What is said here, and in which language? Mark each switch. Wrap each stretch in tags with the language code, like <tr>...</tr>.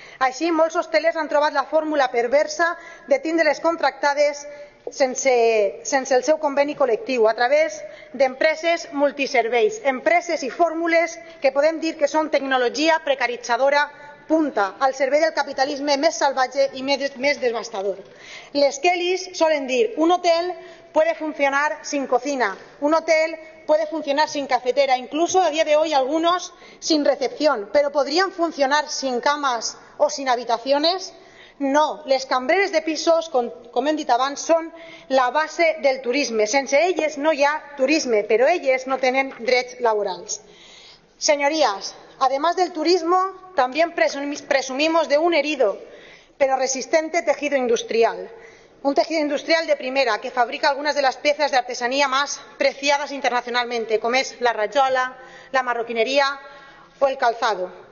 <ca>Així, molts hostelers han trobat la fórmula perversa de tindre-les contractades sense el seu conveni col·lectiu, a través d'empreses multiserveis, empreses i fórmules que podem dir que són tecnologia precaritzadora punta al servei del capitalisme més salvatge i més devastador. Les quelis solen dir:</ca> <es>un hotel puede funcionar sin cocina, un hotel puede funcionar sin cafetera, incluso a día de hoy algunos sin recepción, pero ¿podrían funcionar sin camas o sin habitaciones?</es> <ca>No, les cambreres de pisos, com hem dit abans, són la base del turisme. Sense elles no hi ha turisme, però elles no tenen drets laborals.</ca> <es>Señorías, además del turismo, también presumimos de un herido, pero resistente tejido industrial. Un tejido industrial de primera, que fabrica algunas de las piezas de artesanía más preciadas internacionalmente, como es la rayola, la marroquinería o el calzado.</es>